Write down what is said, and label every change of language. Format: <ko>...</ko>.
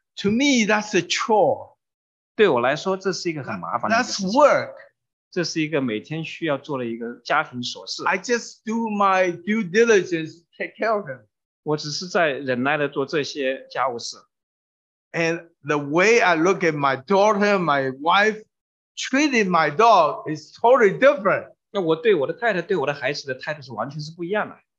<en>To me, that's a chore.</en> <zh>对我来说，这是一个很麻烦的事情。</zh> <en>That's work.</en> <zh>这是一个每天需要做的一个家庭琐事。</zh> <en>I just do my due diligence, take care of him.</en> <zh>我只是在忍耐地做这些家务事。</zh> <en>And the way I look at my daughter, my wife,Treating my dog is totally different.</en> <zh>那我对我的太太，对我的孩子的态度是完全是不一样的。</zh>